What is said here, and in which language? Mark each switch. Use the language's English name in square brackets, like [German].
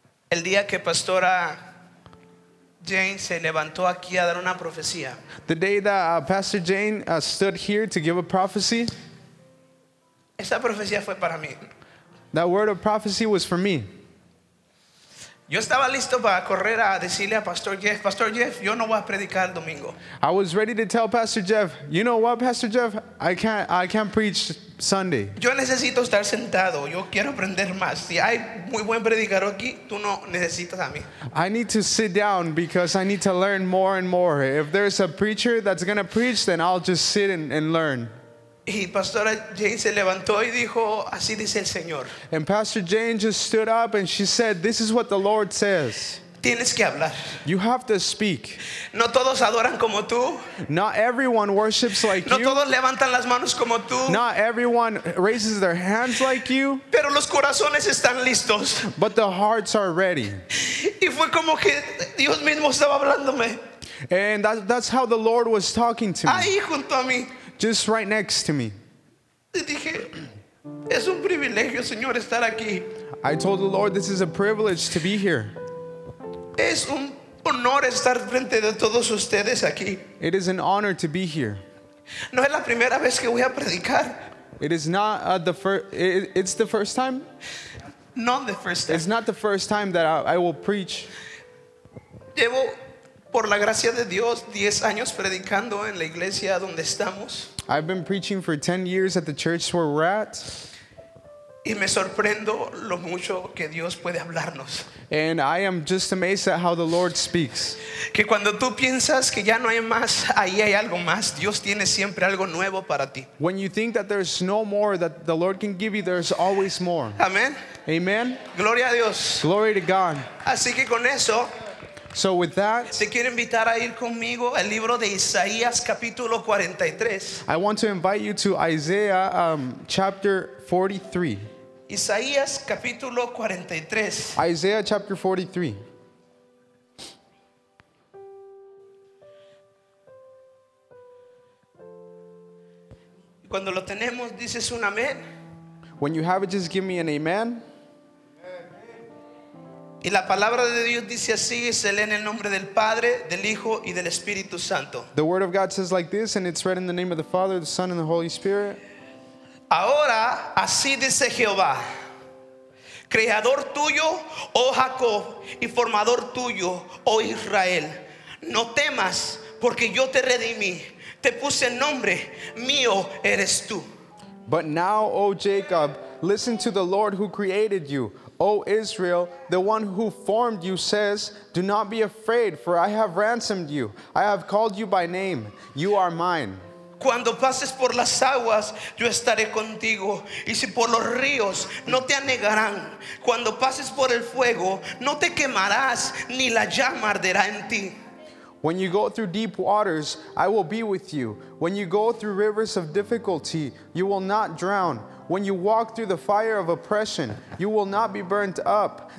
[Spanish] El día que Pastora Jane se levantó aquí a dar una profecía. [English] The day that Pastor Jane stood here to give a prophecy. [Spanish] Esa profecía fue para mí. [English] That word of prophecy was for me. [Spanish] Yo estaba listo para correr a decirle a Pastor Jeff, Pastor Jeff, yo no voy a predicar el domingo. [English] I was ready to tell Pastor Jeff, you know what, Pastor Jeff, I can't preach Sunday. [Spanish] Yo necesito estar sentado. Yo quiero aprender más. Si hay muy buen predicador aquí, tú no necesitas a mí. [English] I need to sit down because I need to learn more and more. If there's a preacher that's gonna preach, then I'll just sit and learn. [Spanish] Y Pastora Jane se levantó y dijo, así dice el Señor. [English] And Pastor Jane just stood up and she said, this is what the Lord says. [Spanish] Tienes que hablar. [English] You have to speak. [Spanish] No todos adoran como tú. [English] Not everyone worships like [Spanish] no [English] you. [Spanish] Todos levantan las manos como tú. [English] Not everyone raises their hands like you. [Spanish] Pero los corazones están listos. [English] But the hearts are ready. [Spanish] Y fue como que Dios mismo estaba hablándome. [English] And that's how the Lord was talking to me. [Spanish] Ahí junto a mí. [English] Just right next to me. [Spanish] Dije, es un privilegio, Señor, estar aquí. [English] I told the Lord, this is a privilege to be here. [Spanish] Es un honor estar frente de todos ustedes aquí. [English] It is an honor to be here. [Spanish] No es la primera vez que voy a predicar. [English] It is not it's the first time? Not the first time. It's not the first time that I will preach. [Spanish] Llevo, por la gracia de Dios, 10 años predicando en la iglesia donde estamos. [English] I've been preaching for 10 years at the church where we're at. [Spanish] Y me sorprendo lo mucho que Dios puede hablarnos. [English] And I am just amazed at how the Lord speaks. [Spanish] Que cuando tú piensas que ya no hay más, ahí hay algo más. Dios tiene siempre algo nuevo para ti. [English] When you think that there's no more that the Lord can give you, there's always more. Amen. Amen. [Spanish] Gloria a Dios. [English] Glory to God. [Spanish] Así que con eso. [English] So with that, [Spanish] te quiero invitar a ir conmigo al libro de Isaías capítulo 43. [English] I want to invite you to Isaiah chapter 43. [Spanish] Isaías capítulo 43. [English] Isaiah chapter 43. [Spanish] Cuando lo tenemos, dices un amén. [English] When you have it, just give me an amen. [Spanish] Y la palabra de Dios dice así, se lee en el nombre del Padre, del Hijo y del Espíritu Santo. [English] The word of God says like this, and it's read in the name of the Father, the Son, and the Holy Spirit. [Spanish] Ahora, así dice Jehová, creador tuyo, oh Jacob, y formador tuyo, oh Israel. No temas, porque yo te redimí, te puse el nombre, mío eres tú. [English] But now, oh Jacob, listen to the Lord who created you. O Israel, the one who formed you says, do not be afraid, for I have ransomed you. I have called you by name. You are mine. [Spanish] Cuando pases por las aguas, yo estaré contigo. Y si por los ríos, no te anegarán. Cuando pases por el fuego, no te quemarás, ni la llama arderá en ti. [English] When you go through deep waters, I will be with you. When you go through rivers of difficulty, you will not drown. When you walk through the fire of oppression, you will not be burnt up.